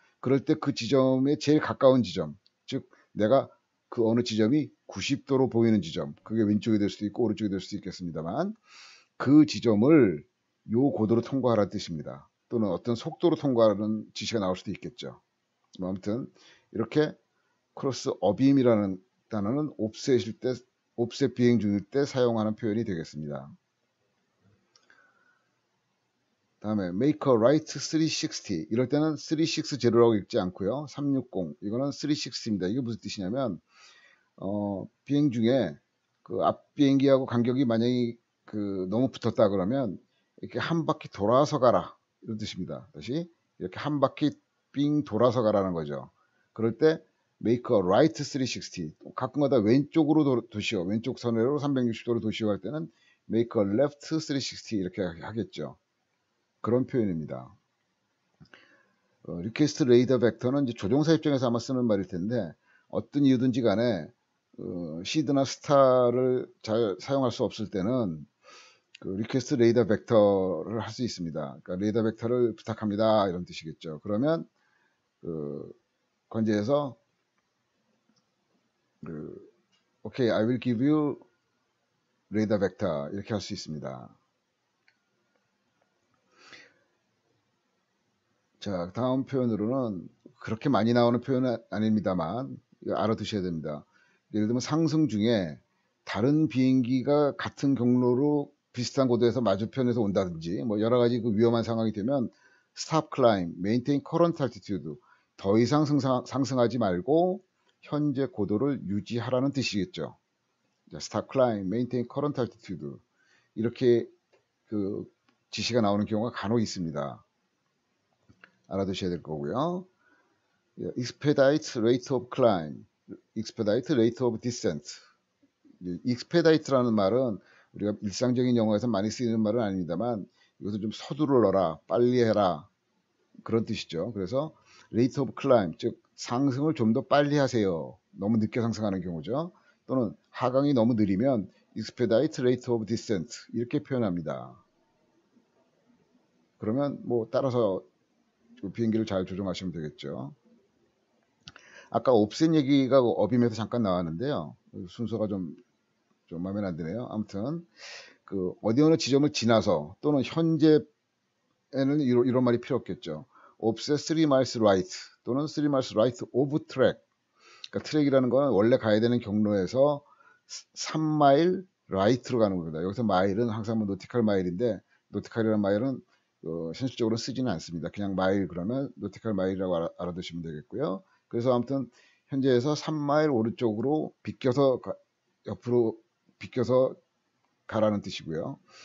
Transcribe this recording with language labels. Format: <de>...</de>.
<ko>그럴 때그 지점에 제일 가까운 지점, 즉 내가 그 어느 지점이 90도로 보이는 지점, 그게 왼쪽이 될 수도 있고 오른쪽이 될 수도 있겠습니다만 그 지점을 요 고도로 통과하라는 뜻입니다. 또는 어떤 속도로 통과하는 지시가 나올 수도 있겠죠. 뭐 아무튼 이렇게 크로스 어빔이라는 단어는 옵셋 비행 중일 때 사용하는 표현이 되겠습니다. 다음에</ko> <en>make a right 360.</en> <ko>이럴 때는 360라고 읽지 않고요. 360. 이거는 360입니다. 이게 무슨 뜻이냐면 비행 중에 그앞 비행기하고 간격이 만약에 너무 붙었다 그러면 이렇게 한 바퀴 돌아서 가라. 이런 뜻입니다. 다시 이렇게 한 바퀴 빙 돌아서 가라는 거죠. 그럴 때</ko> <en>make a right 360.</en> <ko>가끔가다 왼쪽으로 도시오. 왼쪽 선회로 360도로 도시오 할 때는</ko> <en>make a left 360</en> <ko>이렇게 하겠죠. 그런 표현입니다.</ko> <en>request radar vector</en> <ko>는 이제 조종사 입장에서 아마 쓰는 말일 텐데 어떤 이유든지 간에 시드나 스타를 잘 사용할 수 없을 때는 request radar vector를 할수 있습니다. 그러니까 radar vector를 부탁합니다. 이런 뜻이겠죠. 그러면 관제에서</ko> <en>okay, I will give you radar vector</en> <ko>이렇게 할수 있습니다. 자, 다음 표현으로는 그렇게 많이 나오는 표현은 아닙니다만 알아두셔야 됩니다. 예를 들면 상승 중에 다른 비행기가 같은 경로로 비슷한 고도에서 맞은편에서 온다든지 뭐 여러 가지 그 위험한 상황이 되면</ko> <en>stop climb, maintain current altitude</en> <ko>더 이상 상승하지 말고 현재 고도를 유지하라는 뜻이겠죠. stop climb, maintain current altitude 이렇게 그 지시가 나오는 경우가 간혹 있습니다. 알아두셔야 될 거고요.</ko> <en>Expedite rate of climb, expedite rate of descent.</en> <ko>Expedite라는 말은 우리가 일상적인 영어에서 많이 쓰이는 말은 아닙니다만 이것은 좀 서두르러라, 빨리 해라 그런 뜻이죠. 그래서</ko> <en>rate of climb,</en> <ko>즉 상승을 좀더 빨리 하세요. 너무 늦게 상승하는 경우죠. 또는 하강이 너무 느리면</ko> <en>expedite rate of descent</en> <ko>이렇게 표현합니다. 그러면 뭐 따라서 비행기를 잘 조종하시면 되겠죠. 아까 없앤 얘기가 업임에서 잠깐 나왔는데요. 순서가 좀 마음에 안 드네요. 아무튼 그 어디 어느 지점을 지나서 또는 현재에는 이런 말이 필요 없겠죠.</ko> <en>없앤 3 miles right</en> <ko>또는</ko> <en>3 miles right of track.</en> <ko>그러니까 트랙이라는 거는 원래 가야 되는 경로에서 3마일 라이트로 가는 겁니다. 여기서 마일은 항상 뭐 노티칼 마일인데 노티칼이라는 마일은 현실적으로 쓰지는 않습니다. 그냥 마일 그러면 노티칼 마일이라고 알아두시면 되겠고요. 그래서 아무튼 현재에서 3마일 오른쪽으로 비껴서 옆으로 비껴서 가라는 뜻이고요.</ko>